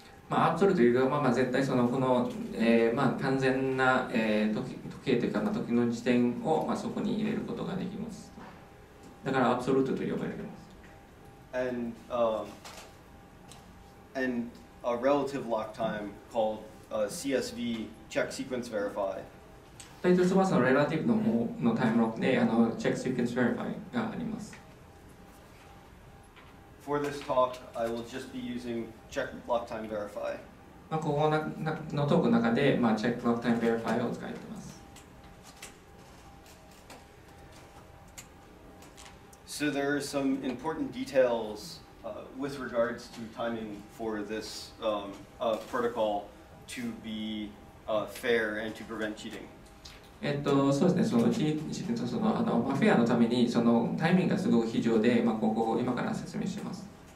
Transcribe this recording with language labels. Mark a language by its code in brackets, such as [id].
[ja] アブソルートというか絶対そのこの、完全な、時計というか、時の時点を、そこに入れることができますだからアブソルートと呼ばれています。 [en] And, and a relative lock time called CSV check sequence verify. [ja] で、一つはそのレラティブの方のタイムロックで、check sequence verify があります。 [en] For this talk, I will just be using check lock time verify. [ja] ここのトークの中で、check lock time verify を使います。 [en] So there are some important details with regards to timing for this protocol to be fair and to prevent cheating. [ja] そうですね。そのチートとそのフェアのためにそのタイミングがすごく非常で、ここを今から説明します。